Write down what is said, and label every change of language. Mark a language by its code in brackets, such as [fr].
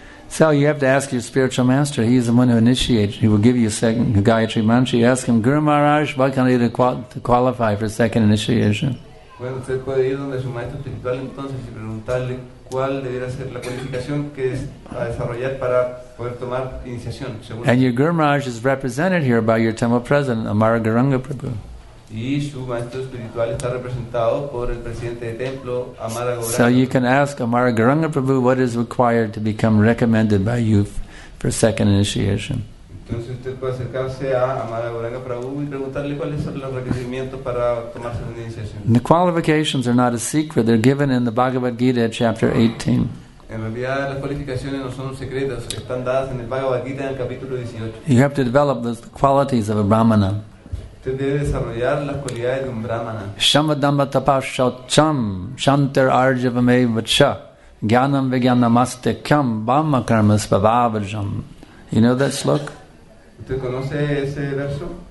[en] So you have to ask your spiritual master. He's the one who initiates. He will give you second Gayatri Mantra. You ask him, Guru Maharaj, what can I do to qualify for second initiation? [es] Bueno, usted puede ir donde su maestro espiritual entonces y preguntarle cuál debería ser la cualificación que es a desarrollar para poder tomar iniciación. [en] And your Guru Maharaj is represented here by your temple president, Amara Gauranga Prabhu. [es] Y su maestro espiritual está representado por el presidente de templo, Amara Gauranga. [en] So you can ask Amara Gauranga Prabhu what is required to become recommended by you for second initiation. [es] Entonces usted puede acercarse a Amada Gauranga Prabhu y preguntarle cuáles son los requerimientos para tomarse la iniciación. [en] The qualifications are not a secret, they're given in the Bhagavad Gita chapter 18. [es] En realidad las cualificaciones no son secretas, están dadas en el Bhagavad Gita en el capítulo 18. [en] You have to develop the qualities of a Brahmana. [es] Usted debe desarrollar las cualidades de un Brahmana. [sa] Shamadamba tapashaucham shantar arjavamevacha gyanam vigyanamaste kyam bhama karmas bhavavajam. [en] You know that shloka? [es] ¿Usted conoce ese verso?